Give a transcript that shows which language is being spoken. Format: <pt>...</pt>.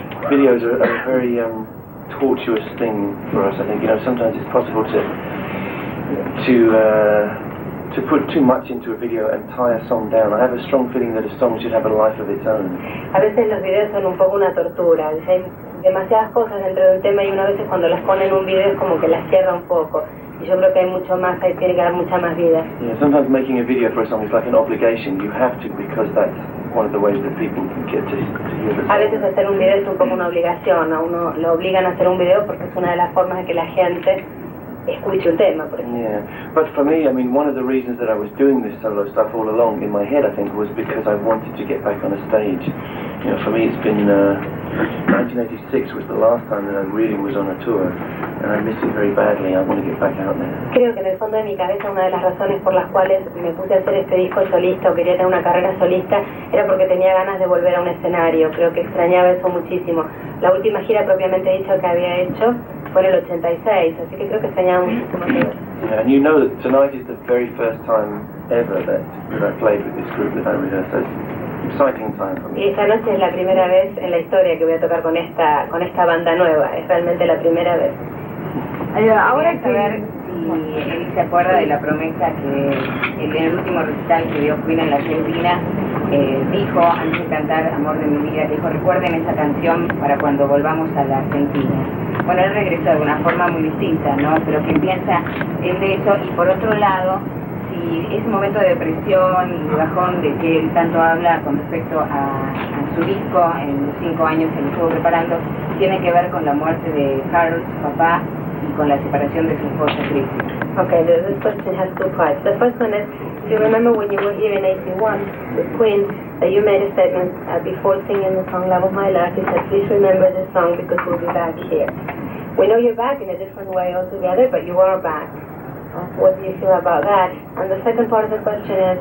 <en>Videos are a very tortuous thing for us, I think. You know, sometimes it's possible to put too much into a video and tie a song down. I have a strong feeling that a song should have a life of its own.</en> <es>A veces los videos son un poco una tortura. Hay demasiadas cosas dentro de un tema y una vez cuando las ponen en un video es como que las cierra un poco. Y yo creo que hay mucho más, hay que dar mucha más vida.</es> <en>Yeah, sometimes making a video for a song is like an obligation. You have to because that's one of the ways that people can get to hear the song.</en> <es>A veces hacer un video es un poco una obligación. A uno lo obligan a hacer un video porque es una de las formas de que la gente escuche un tema, por ejemplo.</es> <en>Yeah, but for me, I mean, one of the reasons that I was doing this solo stuff all along in my head, I think, was because I wanted to get back on a stage. You know, for me, it's been 1986 was the last time that I really was on a tour, and I miss it very badly. I want to get back out there.</en> <es>Creo que en el fondo de mi cabeza una de las razones por las cuales me puse a hacer este disco solista o quería tener una carrera solista era porque tenía ganas de volver a un escenario. Creo que extrañaba eso muchísimo. La última gira propiamente dicho que había hecho fue en el 86, así que creo que extrañaba muchísimo.</es> <en>Yeah, and you know that tonight is the very first time ever that I played with this group that I rehearsed. Exciting time for me.</en> <es>Y esta noche es la primera vez en la historia que voy a tocar con esta banda nueva. Es realmente la primera vez. Ahora quiero saber si él se acuerda de la promesa que en el último recital que dio Queen en la Argentina dijo antes de cantar Amor de mi vida, dijo recuerden esa canción para cuando volvamos a la Argentina. Bueno, él regresó de una forma muy distinta, ¿no? Pero ¿qué piensa él de eso? Y por otro lado, y ese momento de depresión y bajón de que él tanto habla con respecto a su disco en los 5 años que lo estuvo preparando tiene que ver con la muerte de Carl, su papá, y con la separación de su esposa, Chris.</es> <en>Okay, this question has two parts. The first one is, do you remember when you were here in 81 with Queen that you made a statement before singing the song Love of My Life? You said, please remember this song because we'll be back here. We know you're back in a different way altogether, but you are back. What do you feel about that? And the second part of the question is...</en>